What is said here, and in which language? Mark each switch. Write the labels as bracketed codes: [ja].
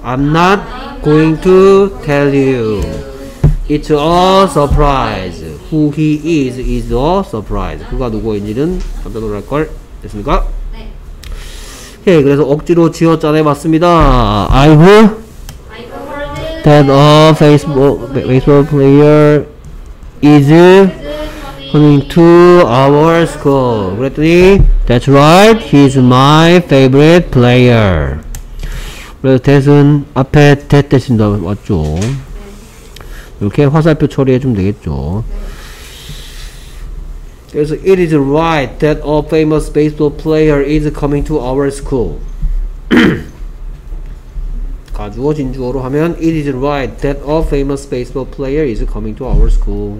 [en] I'm not going to tell you. It's a surprise. Who he is a surprise. [ko] 그가 누구인지는 깜짝 놀랄걸. 됐습니까? 네. 예, 그래서 억지로 지어 짜내 봤습니다. [en] I've heard that a baseball player is coming to our school. [ko] 그랬더니 [en] That's right. He's my favorite player. [ko] 그래서 that은 앞에 that 대신 나왔죠. 이렇게 화살표 처리해주면 되겠죠. 그래서 [en] It is right that a famous baseball player is coming to our school. [ko] 가주어 진주어로 하면 [en] It is right that a famous baseball player is coming to our school.